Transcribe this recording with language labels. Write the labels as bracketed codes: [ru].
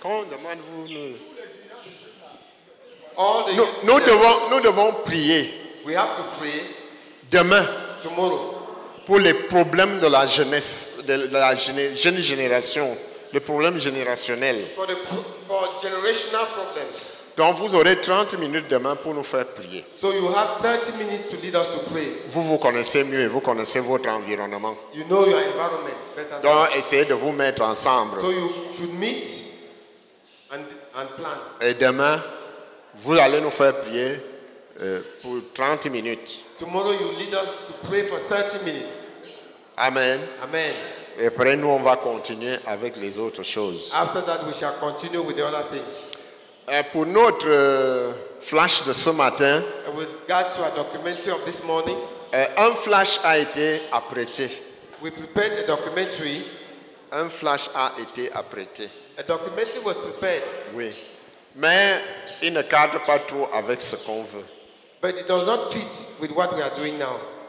[fr] Quand demande-vous nous devons prier. [en] We have to pray [fr] demain. [en] Tomorrow. [fr] Pour les problèmes de la jeunesse, de la jeune génération, les problèmes générationnels. [en] For generational problems. [fr] Donc vous aurez 30 minutes demain pour nous faire prier. [en] So you have 30 minutes to lead us to pray. [fr] Vous connaissez mieux, vous connaissez votre environnement. [en] You know your environment better than [fr] Donc essayez de vous mettre ensemble. [en] So you should meet and plan. [fr] Et demain, vous allez nous faire prier pour 30 minutes. [en] Tomorrow you lead us to pray for 30 minutes. Amen. Amen. [fr] Et après nous, on va continuer avec les autres choses. [en] After that, we shall continue with the other things. [fr] Et pour notre flash de ce matin, [en] with regard to our documentary of this morning, [fr] un flash a été apprêté. [en] We prepared a documentary. [fr] Un flash a été apprêté. [en] A documentary was prepared. [fr] Oui. Mais il ne cadre pas trop avec ce qu'on veut. [en] But it does not fit with what we are doing now.